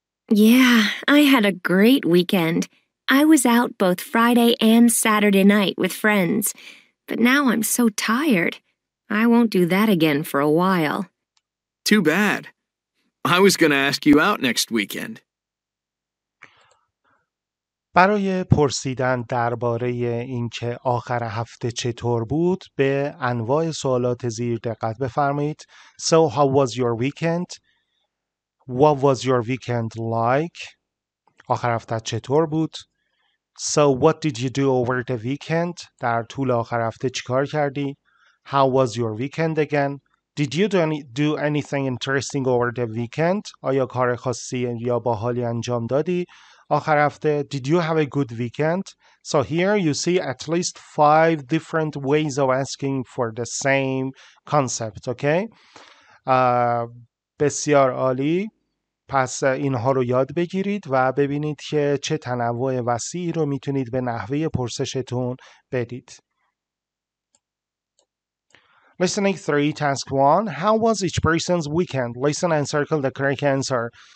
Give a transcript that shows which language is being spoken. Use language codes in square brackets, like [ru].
[en] Yeah, I had a great weekend. I was out both Friday and Saturday night with friends. But now I'm so tired. I won't do that again for a while. Too bad. I was going to ask you out next weekend. [fa] برای پرسیدن درباره اینکه آخر هفته چطور بود به انواع سوالات زیر دقت بفرمایید. [en] So how was your weekend? What was your weekend like? [fa] آخر هفته چطور بود؟ [en] So what did you do over the weekend? [fa] در طول آخر هفته چیکار کردی؟ [en] How was your weekend again? Did you do anything interesting over the weekend? [fa] آیا کار خاصی یا باحالی انجام دادی؟ آخر هفته, [en] did you have a good weekend? So here you see at least 5 different ways of asking for the same concept, okay? [fa] بسیار عالی. پس اینها رو یاد بگیرید و ببینید که چه تنوع وسیعی رو میتونید به نحوه پرسشتون بدید. [en] Listening 3, task 1. How was each person's weekend? Listen and circle the correct answer.